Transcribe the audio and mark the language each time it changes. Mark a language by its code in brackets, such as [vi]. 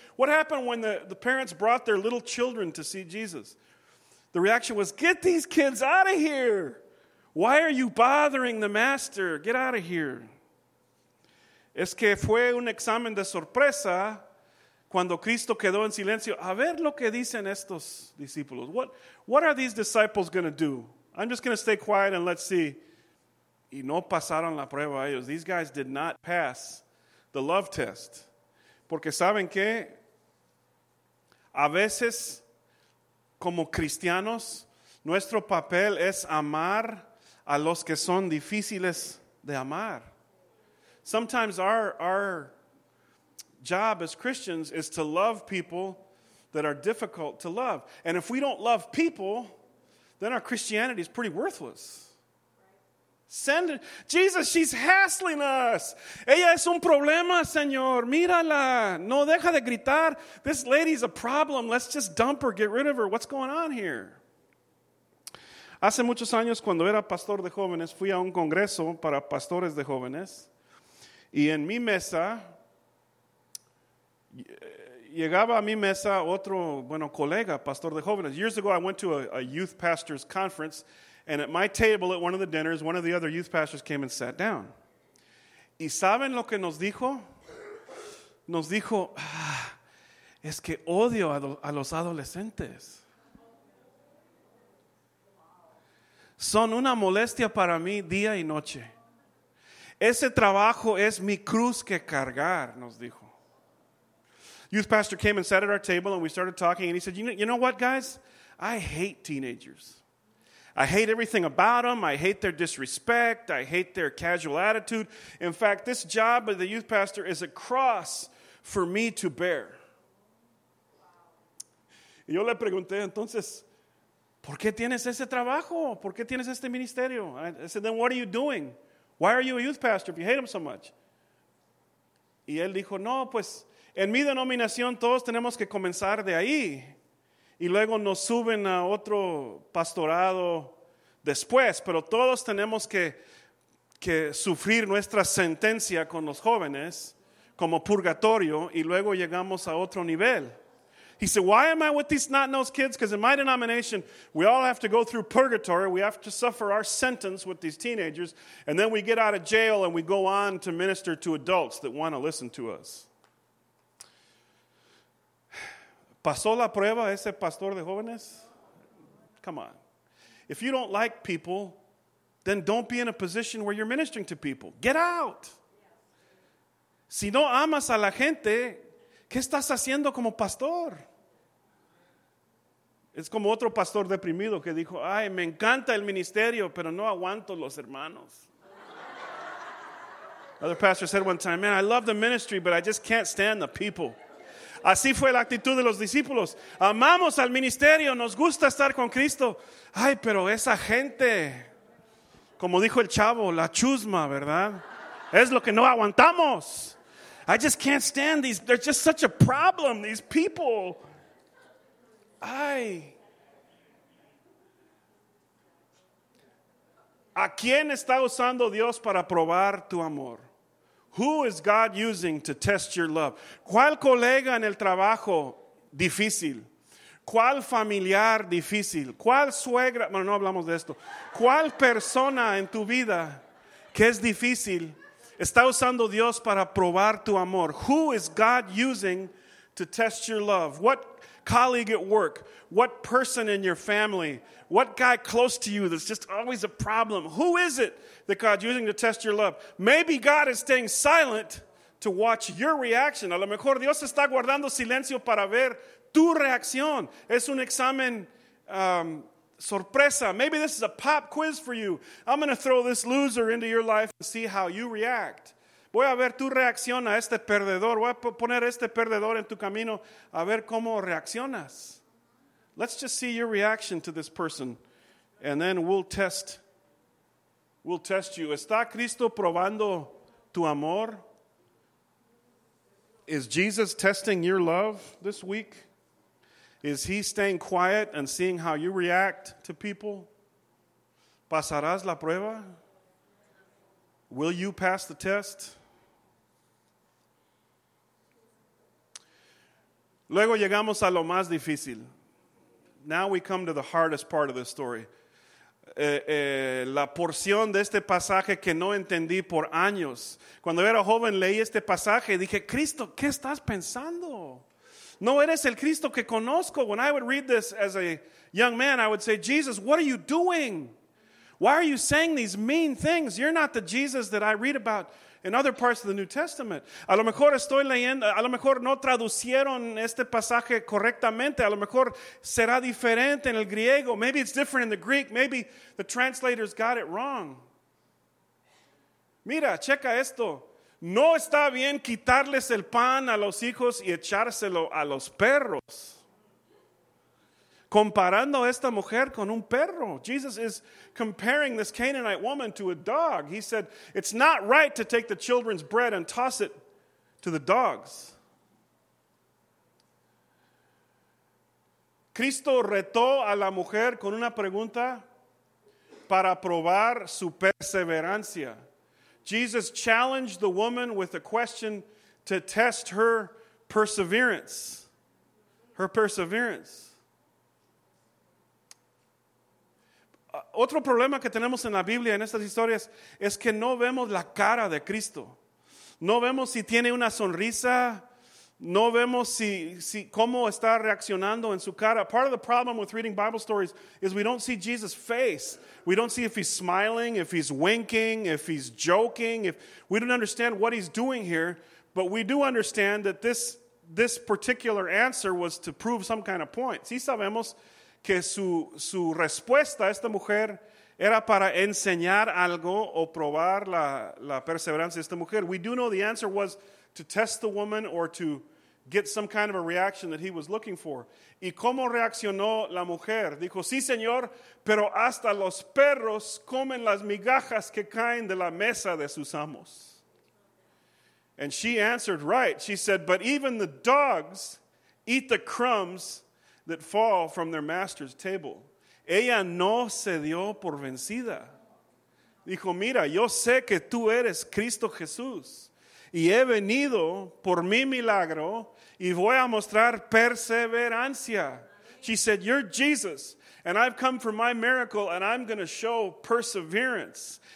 [en] What happened when the parents brought their little children to see Jesus? The reaction was, get these kids out of here. Why are you bothering the master? Get out of here. [es] Es que fue un examen de sorpresa cuando Cristo quedó en silencio. A ver lo que dicen estos discípulos. [en] What are these disciples going to do? I'm just going to stay quiet and let's see. [es] Y no pasaron la prueba ellos. [en] These guys did not pass the love test. [es] Porque saben que a veces, como cristianos, nuestro papel es amar a los que son difíciles de amar. [en] Sometimes our job as Christians is to love people that are difficult to love. And if we don't love people, then our Christianity is pretty worthless. Send her. Jesus, she's hassling us. [es] Ella es un problema, Señor. Mírala. No deja de gritar. [en] This lady's a problem. Let's just dump her, get rid of her. What's going on here? [es] Hace muchos años, cuando era pastor de jóvenes, fui a un congreso para pastores de jóvenes. Y en mi mesa, llegaba a mi mesa otro, bueno, colega, pastor de jóvenes. [en] Years ago, I went to a youth pastor's conference. And at my table at one of the dinners, one of the other youth pastors came and sat down. [es] ¿Y saben lo que nos dijo? Nos dijo, ah, es que odio a los adolescentes. Son una molestia para mí día y noche. Ese trabajo es mi cruz que cargar, nos dijo. [en] Youth pastor came and sat at our table and we started talking. And he said, you know what, guys? I hate teenagers. I hate everything about them. I hate their disrespect. I hate their casual attitude. In fact, this job of the youth pastor is a cross for me to bear. [es] Y yo le pregunté, entonces, ¿por qué tienes ese trabajo? ¿Por qué tienes este ministerio? [en] I said, then what are you doing? Why are you a youth pastor if you hate them so much? [es] Y él dijo, no, pues, en mi denominación todos tenemos que comenzar de ahí. Y luego nos suben a otro pastorado después. Pero todos tenemos que sufrir nuestra sentencia con los jóvenes como purgatorio. Y luego llegamos a otro nivel. [en] He said, why am I with these snot-nosed kids? Because in my denomination, we all have to go through purgatory. We have to suffer our sentence with these teenagers. And then we get out of jail and we go on to minister to adults that want to listen to us. [es] ¿Pasó la prueba ese pastor de jóvenes? [en] Come on. If you don't like people, then don't be in a position where you're ministering to people. Get out. [es] Si no amas a la gente, ¿qué estás haciendo como pastor? Es como otro pastor deprimido que dijo, ay, me encanta el ministerio, pero no aguanto los hermanos. [en] Another pastor said one time, man, I love the ministry, but I just can't stand the people. [es] Así fue la actitud de los discípulos. Amamos al ministerio, nos gusta estar con Cristo. Ay, pero esa gente, como dijo el chavo, la chusma, ¿verdad? Es lo que no aguantamos. [en] I just can't stand these. They're just such a problem, these people. Ay. [es] ¿A quién está usando Dios para probar tu amor? [en] Who is God using to test your love? [es] ¿Cuál colega en el trabajo difícil? ¿Cuál familiar difícil? ¿Cuál suegra? Bueno, no hablamos de esto. ¿Cuál persona en tu vida que es difícil está usando Dios para probar tu amor? [en] Who is God using to test your love? What colleague at work? What person in your family? What guy close to you that's just always a problem? Who is it that God's using to test your love? Maybe God is staying silent to watch your reaction. [es] A lo mejor Dios está guardando silencio para ver tu reacción. Es un examen sorpresa. [en] Maybe this is a pop quiz for you. I'm going to throw this loser into your life and see how you react. [es] Voy a ver tu reacción a este perdedor. Voy a poner este perdedor en tu camino a ver cómo reaccionas. [en] Let's just see your reaction to this person, and then we'll test you. [es] ¿Está Cristo probando tu amor? [en] Is Jesus testing your love this week? Is he staying quiet and seeing how you react to people? [es] ¿Pasarás la prueba? [en] Will you pass the test? [es] Luego llegamos a lo más difícil. [en] Now we come to the hardest part of the story. [es] La porción de este pasaje que no entendí por años. Cuando era joven leí este pasaje y dije, Cristo, ¿qué estás pensando? No eres el Cristo que conozco. [en] When I would read this as a young man, I would say, Jesus, what are you doing? Why are you saying these mean things? You're not the Jesus that I read about in other parts of the New Testament. [es] A lo mejor estoy leyendo, a lo mejor no traducieron este pasaje correctamente. A lo mejor será diferente en el griego. [en] Maybe it's different in the Greek. Maybe the translators got it wrong. [es] Mira, checa esto. No está bien quitarles el pan a los hijos y echárselo a los perros. comparando esta mujer con un perro. [en] Jesus is comparing this Canaanite woman to a dog. He said, it's not right to take the children's bread and toss it to the dogs. [es] Cristo retó a la mujer con una pregunta para probar su perseverancia. [en] Jesus challenged the woman with a question to test her perseverance. Her perseverance. [es] Otro problema que tenemos en la Biblia, en estas historias, es que no vemos la cara de Cristo. No vemos si tiene una sonrisa. No vemos si cómo está reaccionando en su cara. [en] Part of the problem with reading Bible stories is we don't see Jesus' face. We don't see if he's smiling, if he's winking, if he's joking. If we don't understand what he's doing here, but we do understand that this particular answer was to prove some kind of point. [es] Sí sabemos que su respuesta a esta mujer era para enseñar algo o probar la perseverancia de esta mujer. [en] We do know the answer was to test the woman or to get some kind of a reaction that he was looking for. [es] ¿Y cómo reaccionó la mujer? Dijo, sí, señor, pero hasta los perros comen las migajas que caen de la mesa de sus amos. [en] And she answered, right. She said, but even the dogs eat the crumbs that fall from their master's table. [es] Ella no se dio por vencida. Dijo, mira, yo sé que tú eres Cristo Jesús. Y he venido por mi milagro y voy a mostrar perseverancia. [en] She said, you're Jesus, and I've come for my miracle, and I'm going to show perseverance.